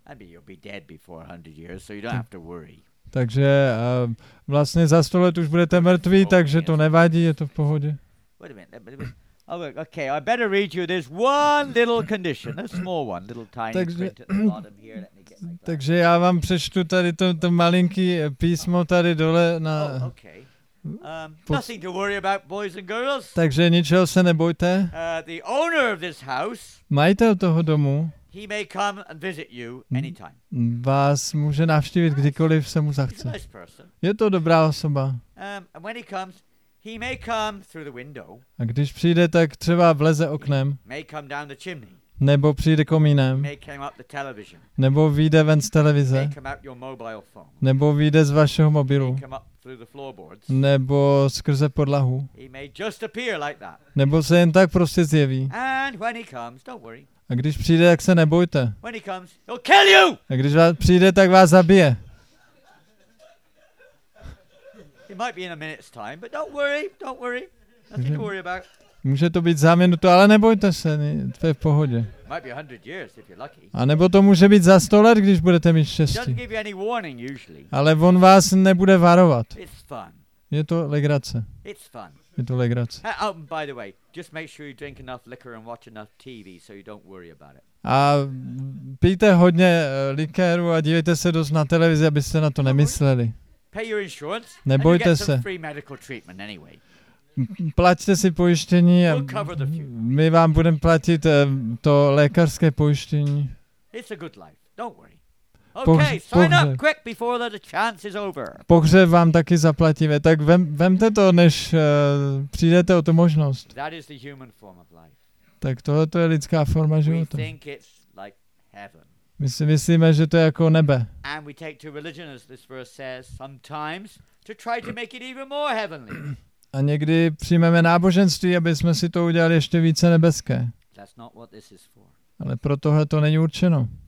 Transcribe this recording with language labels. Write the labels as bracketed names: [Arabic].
[English] I mean, you'll be dead before 100 years, so you don't have to worry. [Czech] Takže vlastně za 100 let už budete mrtví, takže to nevadí. Je to v pohodě. [English] Wait a minute. Oh, okay, I better read you this one little condition, a small one, little tiny print at the bottom here. Let me get my glasses. [Czech] Takže já vám přečtu tady to malinký písmo tady dole na. [English] Oh, okay. Nothing to worry about, boys and girls. [Czech] Takže ničeho se nebojte. [English] The owner of this house. [Czech] Majitel toho domu. [English] He may come and visit you anytime. [Czech] Vás může navštívit kdykoliv se mu zachce. [English] He's a nice person. [Czech] Je to dobrá osoba. [English] And when he comes. He may come through the window. [Czech] A když přijde, tak třeba vleze oknem. [English] He may come down the chimney. [Czech] Nebo přijde komínem. [English] He may come up the television. [Czech] Nebo vyjde ven z televize. [English] He may come out your mobile phone. [Czech] Nebo vyjde z vašeho mobilu. [English] He may come up through the floorboards. [Czech] Nebo skrze podlahu. [English] He may just appear like that. [Czech] Nebo se jen tak prostě zjeví. [English] And when he comes, don't worry. [Czech] A když přijde, tak se nebojte. [English] When he comes, he'll kill you! [Czech] A když vás přijde, tak vás zabije. [English] It might be in a minute's time, but don't worry. Nothing to worry about. [Czech] Může to být za minutu, ale nebojte se, to je v pohodě. [English] Might be 100 years if you're lucky. [Czech] A nebo to může být za 100 let, když budete mít štěstí. [English] Doesn't give you any warning usually. [Czech] Ale on vás nebude varovat. [English] It's fun. [Czech] Je to legrace. [English] It's fun. [Czech] Je to legrace. [English] Oh, by the way, just make sure you drink enough liquor and watch enough TV so you don't worry about it. [Czech] A pijte hodně likéru a dívejte se dost na televizi, abyste na to nemysleli. [English] Pay your insurance. [Czech] Nebojte se. [English] Free medical treatment anyway. [Czech] Plaťte si pojištění a my vám budeme platit to lékařské pojištění. [English] It's a good life. Don't worry. Okay, sign up quick before the chance is over. [Czech] Pohřeb vám taky zaplatíme, tak vemte to, než přijdete o tu možnost. [English] That is the human form of life. [Czech] Tak tohle je lidská forma života. [English] We think it's like heaven. [Czech] My si myslíme, že to je jako nebe. [English] And we take to religion, as this verse says, sometimes to try to make it even more heavenly. [Czech] A někdy přijmeme náboženství, aby jsme si to udělali ještě více nebeské. [English] That's not what this is for. [Czech] Ale pro tohle to není určeno.